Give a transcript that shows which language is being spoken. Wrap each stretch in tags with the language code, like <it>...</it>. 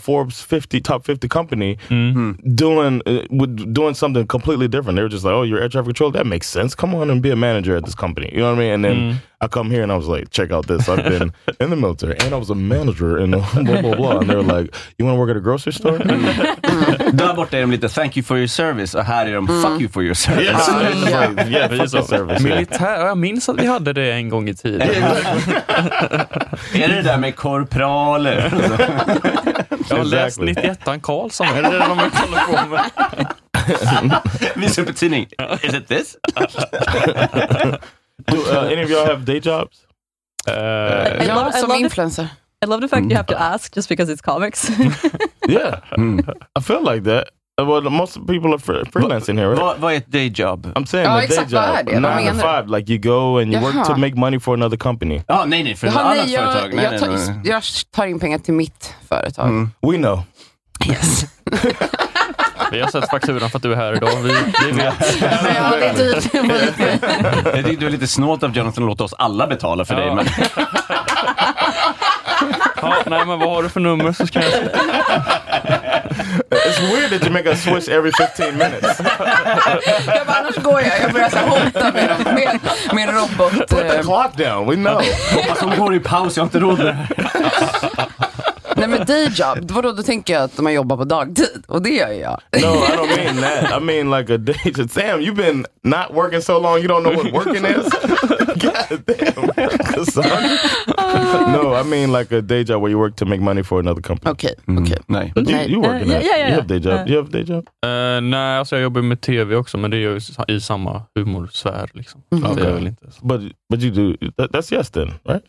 <en>Forbes 50, top 50 company. Mm-hmm. Doing something completely different. They were just like, oh, you're air traffic control? That makes sense. Come on and be a manager at this company. You know what I mean? And then... Mm. I come here and I was like, check out this. I've been in the military and I was a manager and blah, blah, blah. And they're like, you want to work at a grocery store?</en> <sv>Där borta är de lite,</sv> <en>thank you for your service.</en> <sv>Och här är de,</sv> <en>fuck you for your service. Yeah, yeah, yeah, fuck your service.</en> <sv>Militär, jag minns att vi hade det en gång i tiden. Är det där med korpraler? Jag har läst 91 Karlsson. Är det det de kollar på med? Visar på tidning.</sv> <en>Is it this? Do any of y'all have day jobs?</en> <sv>Som influencer.</sv> <en>I love the fact you have to ask just because it's comics. Yeah. Mm. I feel like that. Well, most people are freelancing here, right? What a day job. I'm saying a day job. Nine to five. Like, you go and you work to make money for another company. Oh,</en> <sv>nej, nej. För ett annat företag. Jag tar in pengar till mitt företag. Mm.</sv> <en>We know. Yes.</en> <sv>Vi har sett fakturan för att du är här idag. Vi vet. Men jag har det dyrt. Jag tycker du är lite snålt av Jonathan att låta oss alla betala för dig. Men... Ja, nej, men vad har du för nummer så ska jag säga.</sv> <en>It's weird that you make a switch every 15 minutes.</en> <sv>Jag bara, annars går jag. Jag börjar så här hota med dem. Med robot.</sv> <en>Put the clock down, we know.</en> <sv>Hoppas hon går i paus, jag har inte råd med det. Nej, men day job, vadå, då tänker jag att man jobbar på dagtid, och det gör jag.</sv> <en>No, I don't mean that, I mean like a day job. Sam, you've been not working so long, you don't know what working is. God damn. Sorry. No, I mean like a day job where you work to make money for another company.</en> <sv>Okej, okay. Okej. Mm. Nej.</sv> <en>You work in that, you have day job, you have day job.</en> <sv>Nej, alltså jag jobbar med tv också, men det är ju i samma humorsfär liksom. Okay. Det är väl inte så.</sv> <en>But you do, that's yes then, right?</en>